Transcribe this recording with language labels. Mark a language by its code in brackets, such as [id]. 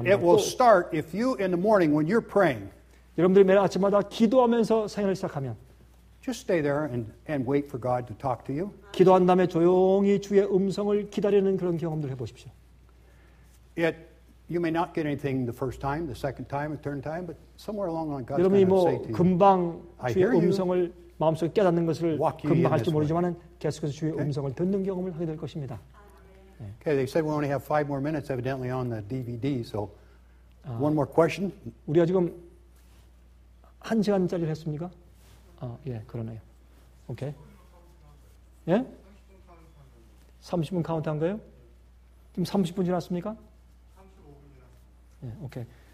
[en] And it will start if you in the morning when you're praying. [ko] 여러분들이 매일 아침마다 기도하면서 생활을 시작하면. [en] Just stay there and wait for God to talk to you. [ko] 기도한 다음에 조용히 주의 음성을 기다리는 그런 경험들 해보십시오. [en] It You may not get anything the first time, the second time, the third time, but somewhere along the line, God's going to say to you, "I hear you." [ko] 금방 주의 음성을 마음속에 깨닫는 것을 금방 할지 모르지만은 계속해서 주의 음성을 듣는 경험을 하게 될 것입니다. [en] Okay, they said we only have 5 more minutes, evidently on the DVD. So, one more question. [ko] 우리가 지금 한 시간짜리를 했습니까? 예, 그러네요. Okay. 예? 30분 카운트한 거예요? 지금 30분 지났습니까? 예, 오케이.